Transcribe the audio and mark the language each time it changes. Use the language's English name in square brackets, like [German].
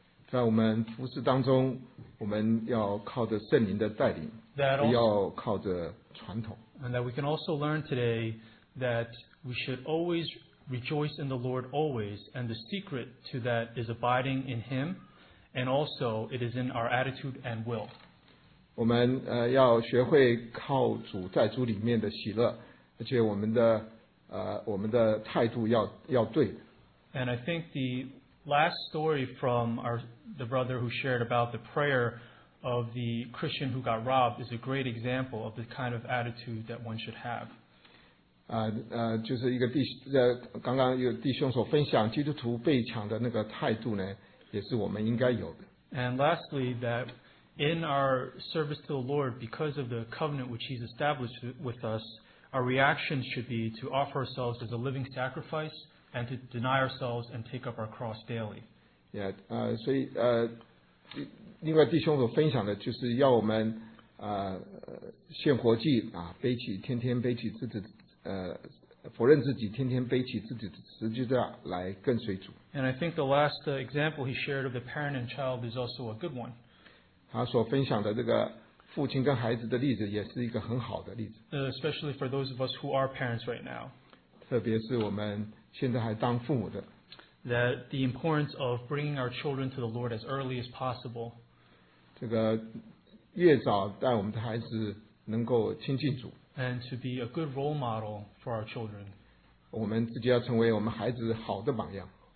[Chinese] 在我们服事当中，我们要靠着圣灵的带领，不要靠着传统。 [English] And that we can also learn today that we should always rejoice in the Lord always, and the secret to that is abiding in Him, and also it is in our attitude and will. [Chinese] 我们要学会靠主在主里面的喜乐，而且我们的我们的态度要对。 [English] And I think the last story from the brother who shared about the prayer of the Christian who got robbed is a great example of the kind of attitude that one should have. [Chinese] 就是一个刚刚有弟兄所分享基督徒被抢的那个态度呢，也是我们应该有的。 [English] And lastly that. In our service to the Lord, because of the covenant which He's established with us, our reaction should be to offer ourselves as a living sacrifice and to deny ourselves and take up our cross daily. [Chinese] Yeah, 所以另外弟兄所分享的就是要我们献活祭啊，背起天天背起自己否认自己，天天背起自己的十字架来跟随主。 [English] And I think the last example He shared of the parent and child is also a good one. [Chinese] 他所分享的这个父亲跟孩子的例子也是一个很好的例子。 [English] Especially for those of us who are parents right now. [Chinese] 特别是我们现在还当父母的。 [English] That the importance of bringing our children to the Lord as early as possible. [Chinese] 这个越早带我们的孩子能够亲近主。 [English] And to be a good role model for our children. [Chinese] 我们自己要成为我们孩子好的榜样。